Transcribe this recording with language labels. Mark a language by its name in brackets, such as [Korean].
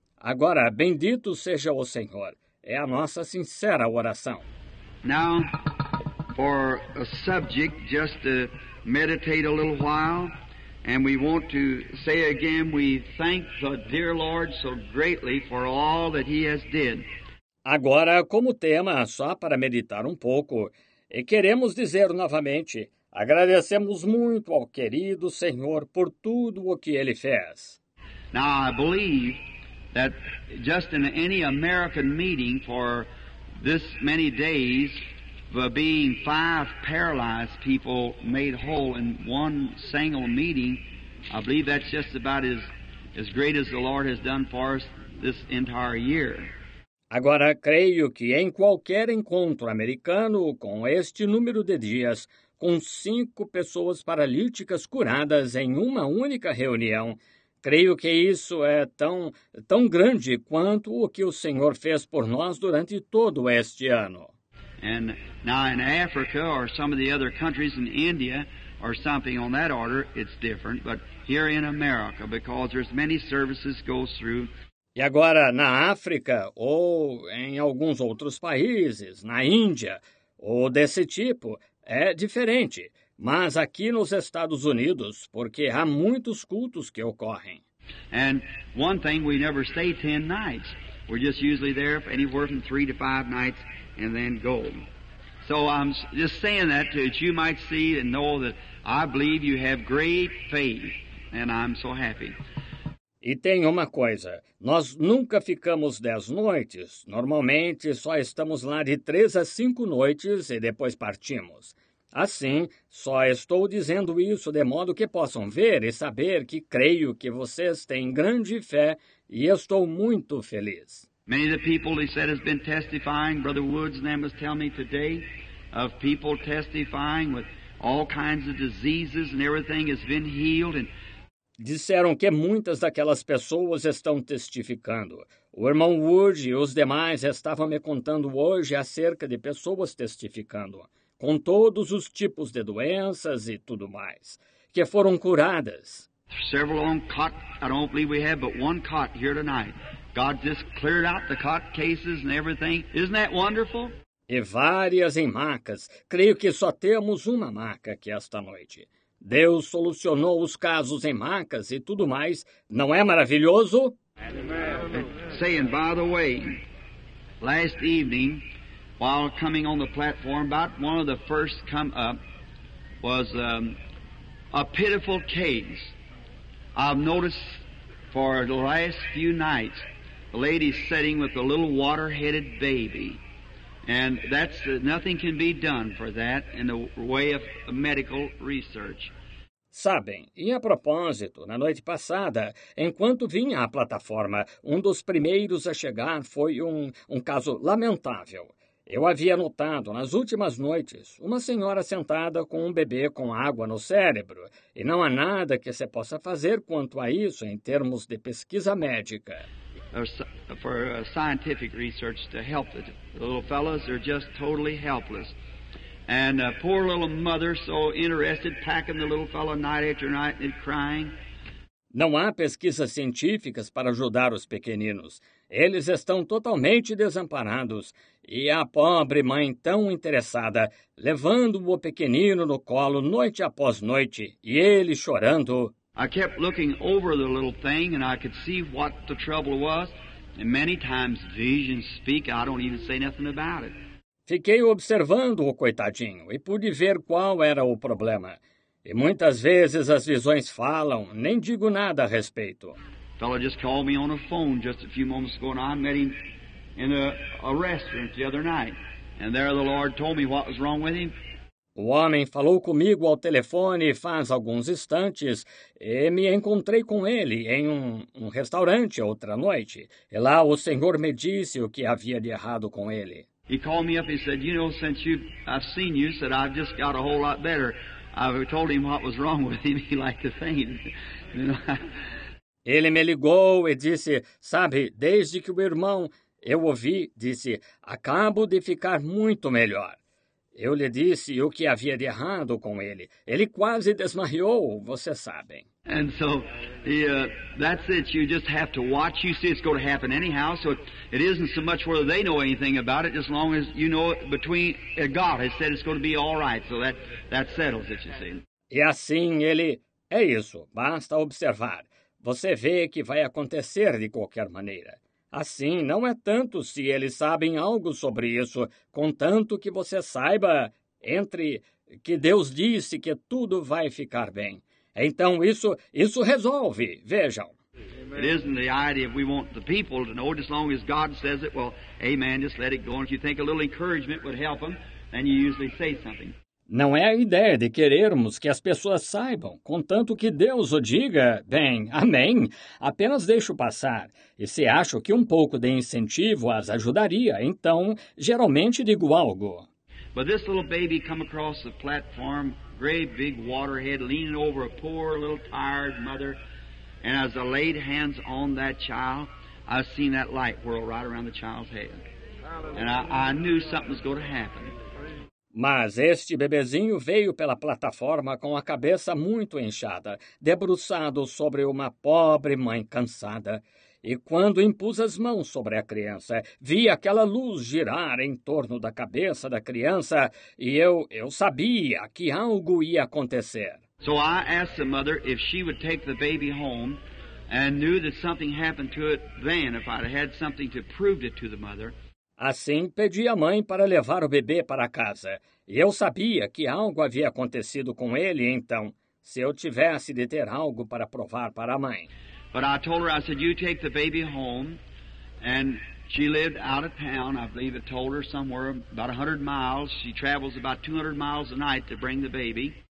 [Portuguese] Agora, bendito seja o Senhor. É a nossa sincera oração. [English] Now, for a subject, just to meditate a little while, and we want to say again, we thank the dear Lord so greatly for all that he has did. [Portuguese] Agora, como tema, só para meditar um pouco, e queremos dizer novamente, agradecemos muito ao querido Senhor por tudo o que Ele fez. [English] Now, I believe that just in any American meeting for this many days, being five paralyzed people made whole in one single meeting, I believe that's just about as great as the Lord has done for us this entire year. [Portuguese] Agora, creio que em qualquer encontro americano, com este número de dias, com cinco pessoas paralíticas curadas em uma única reunião, creio que isso é tão grande quanto o que o Senhor fez por nós durante todo este ano. [English] And now in Africa, or some of the other countries in India, or something on that order, it's different. But here in America, because there's many services go through. [Portuguese] E agora na África ou em alguns outros países, na Índia ou desse tipo, é diferente. Mas aqui nos Estados Unidos, porque há muitos cultos que ocorrem. [English] And one thing, we never stay 10 nights. We're just usually there anywhere from 3 to 5 nights and then go. So I'm just saying that so that you might see and know that I believe you have great faith and I'm so happy. [Portuguese] E tem uma coisa, nós nunca ficamos 10 noites. Normalmente só estamos lá de 3 a 5 noites e depois partimos. Assim, só estou dizendo isso de modo que possam ver e saber que creio que vocês têm grande fé e estou muito feliz. [English] Many of the people, he said, has been testifying. Brother Woods and them was telling me today of people testifying with all kinds of diseases and everything has been healed. And [Portuguese] disseram que muitas daquelas pessoas estão testificando. O irmão Wood e os demais estavam me contando hoje acerca de pessoas testificando, com todos os tipos de doenças e tudo mais, que foram curadas. [English] Several on cot, I don't believe we have, but one cot here tonight. God just cleared out the cot cases and everything. Isn't that wonderful? [Portuguese] E várias em macas. Creio que só temos uma maca aqui esta noite. Deus solucionou os casos em macas e tudo mais. Não é maravilhoso? [English] Saying, by the way, last evening, while coming on the platform, about one of the first come up was a pitiful case. I've noticed for the last few nights, a lady sitting with a little water-headed baby. And that's nothing can be done for that in the way of medical research. [Portuguese] Sabem, e a propósito, na noite passada, enquanto vinha à plataforma, um dos primeiros a chegar foi um caso lamentável. Eu havia notado, nas últimas noites, uma senhora sentada com um bebê com água no cérebro, e não há nada que se possa fazer quanto a isso em termos de pesquisa médica. [English] For scientific research to help it. The little fellows are just totally helpless. And a poor little mother, so interested, packing the little fellow night after night and crying. [Portuguese] Não há pesquisas científicas para ajudar os pequeninos. Eles estão totalmente desamparados. E a pobre mãe tão interessada, levando o pequenino no colo noite após noite, e ele chorando. [English] I kept looking over the little thing and I could see what the trouble was. And many times visions speak, I don't even say nothing about it. [Portuguese] Fiquei observando o coitadinho e pude ver qual era o problema. E muitas vezes as visões falam, nem digo nada a respeito. [English] A fellow just called me on the phone just a few moments ago and I met him in a restaurant the other night. And there the Lord told me what was wrong with him. [Portuguese] O homem falou comigo ao telefone faz alguns instantes e me encontrei com ele em um restaurante outra noite. E lá o Senhor me disse o que havia de errado com ele. [English] He called me up and said, you know, since I've seen you, said I've just got a whole lot better. I told him what was wrong with him. He liked to faint. You know? [Portuguese] Ele me ligou e disse, sabe, desde que o irmão eu ouvi, disse, acabo de ficar muito melhor. Eu lhe disse o que havia de errado com ele. Ele quase desmaiou, vocês sabem. [English] And so, that's it. You just have to watch. You see, it's going to happen anyhow. So it isn't so much whether they know anything about it, as long as you know it between God has said it's going to be all right. So that settles it, you see. [Portuguese] E assim ele, é isso, basta observar. Você vê que vai acontecer de qualquer maneira. Assim, não é tanto se eles sabem algo sobre isso, contanto que você saiba entre que Deus disse que tudo vai ficar bem. Então, isso resolve, vejam. [English] It isn't the idea we want the people to know, as long as God says it, well, amen, just let it go. And if you think a little encouragement would help them, then you usually say something. [Portuguese] Não é a ideia de querermos que as pessoas saibam, contanto que Deus o diga, bem, amém, apenas deixo passar. E se acho que um pouco de incentivo as ajudaria, então, geralmente digo algo. [English] But this little baby come across the platform, great big waterhead, leaning over a poor little tired mother, and as I laid hands on that child, I seen that light whirl right around the child's head. And I knew something was going to happen. [Portuguese] Mas este bebezinho veio pela plataforma com a cabeça muito inchada, debruçado sobre uma pobre mãe cansada. E quando impus as mãos sobre a criança, vi aquela luz girar em torno da cabeça da criança e eu sabia que algo ia acontecer. [English] So I asked the mother if she would take the baby home and knew that something happened to it then, if I'd had something to prove it to the mother. [Portuguese] Assim, pedi à mãe para levar o bebê para casa. E eu sabia que algo havia acontecido com ele, então, se eu tivesse de ter algo para provar para a mãe. [English] But I told her, I said, you take the baby home. And she lived out of town, I believe it told her, somewhere about 100 miles. She travels about 200 miles a night to bring the baby.